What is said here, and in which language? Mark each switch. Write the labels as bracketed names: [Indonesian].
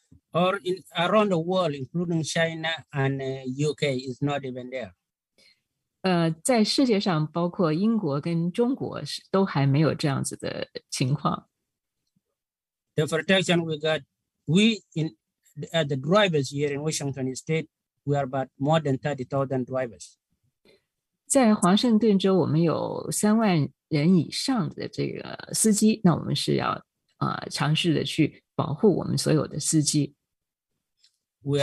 [English] Or in around the world, including China and UK, is not even there. [Chinese] 在世界上，包括英国跟中国都还没有这样子的情况。 [English] The protection we got, we in at the drivers here in Washington State, we are about more than 30,000 drivers. [Chinese] 在华盛顿州，我们有3万人以上的这个司机，那我们是要尝试的去保护我们所有的司机。 [English] We